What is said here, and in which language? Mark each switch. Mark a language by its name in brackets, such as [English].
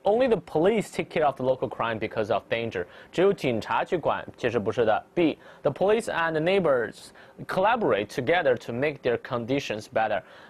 [English] Only the police take care of the local crime because of danger. [Chinese] 只有警察去管，其实不是的。 B. [English] The police and the neighbors collaborate together to make their conditions better.